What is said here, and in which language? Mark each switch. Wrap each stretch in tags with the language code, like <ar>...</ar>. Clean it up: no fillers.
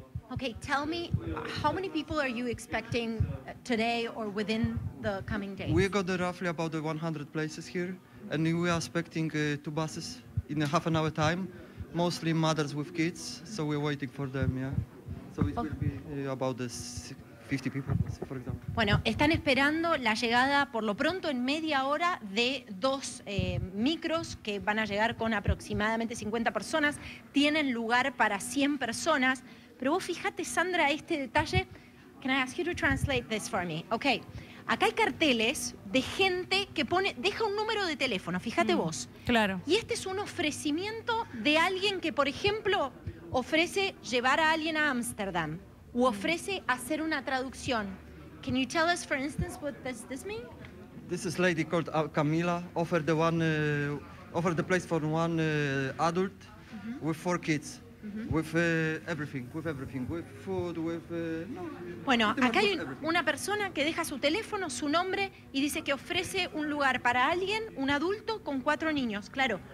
<en>Okay, tell me, how many people are you expecting today or within the coming days? We got roughly about 100 places here, and we are expecting two buses in a half an hour time, mostly mothers with kids, so we're waiting for them, yeah. So it will be about the 50 people, for example.</en> <es>Bueno, están esperando la llegada por lo pronto en media hora de dos micros que van a llegar con aproximadamente 50 personas. Tienen lugar para 100 personas. Pero vos fíjate, Sandra, este detalle.</es> <en>Can I ask you to translate this for me? Okay.</en> <es>Acá hay carteles de gente que pone, deja un número de teléfono, fíjate vos. Claro. Y este es un ofrecimiento de alguien que, por ejemplo, ofrece llevar a alguien a Ámsterdam. O ofrece hacer una traducción.</es> <en>Can you tell us, for instance, what does this mean? This is lady called Camila. Offered the one, offered the place for one adult with four kids, with everything, with food, with.</en> <es>Bueno, acá hay una persona que deja su teléfono, su nombre y dice que ofrece un lugar para alguien, un adulto con cuatro niños. Claro.</es>